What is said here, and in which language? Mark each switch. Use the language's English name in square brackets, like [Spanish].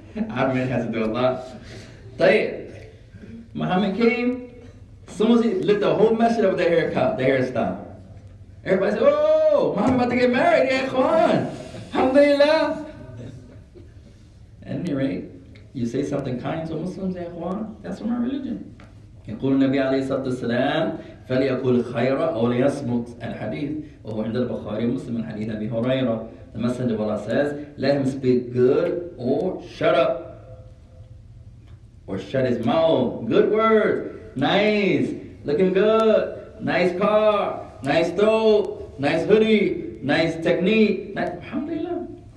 [English] Ahmed has to do a lot. Say it. Muhammad came. As soon as he lifted the whole masjid up with the haircut, the hairstyle. Everybody said, oh, Muhammad about to get married, yeah, Khan. Alhamdulillah. At any rate, you say something kind to Muslims, yeah, Khan, that's from our religion. [Arabic] يقول النبي عليه الصلاة والسلام فليقول خيرا أو ليصمت الحديث وهو عند البخاري مسلم الحديث أبي هريرة. [English] The Messenger of Allah says, let him speak good or shut up. Or shut his mouth. Good words. Nice. Looking good. Nice car. Nice throat. Nice hoodie. Nice technique. Nice. Alhamdulillah.